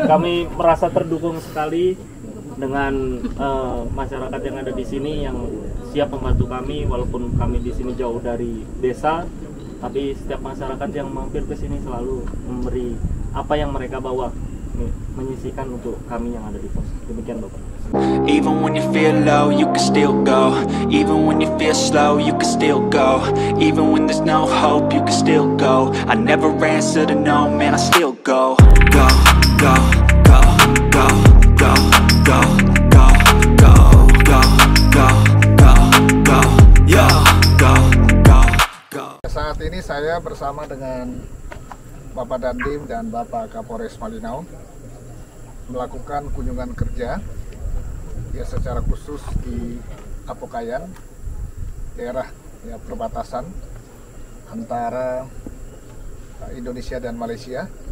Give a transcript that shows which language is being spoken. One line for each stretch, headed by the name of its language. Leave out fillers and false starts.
Indonesian: Kami merasa terdukung sekali dengan masyarakat yang ada di sini yang siap membantu kami, walaupun kami di sini jauh dari desa, tapi setiap masyarakat yang mampir ke sini selalu memberi apa yang mereka bawa. Menyisihkan untuk kami yang ada di pos. Demikian, Bapak.
English: Even when you feel low, you can still go. Even when you feel slow, you can still go. Even when there's no hope, you can still go. I never answer to no, man, I still go. Go, go, go, go, go, go, go, go, go, go, go, go, yo, go, go, go.
Indonesian: Saat ini saya bersama dengan Bapak Dandim dan Bapak Kapolres Malinau melakukan kunjungan kerja ya secara khusus di Apokayan, daerah ya perbatasan antara Indonesia dan Malaysia.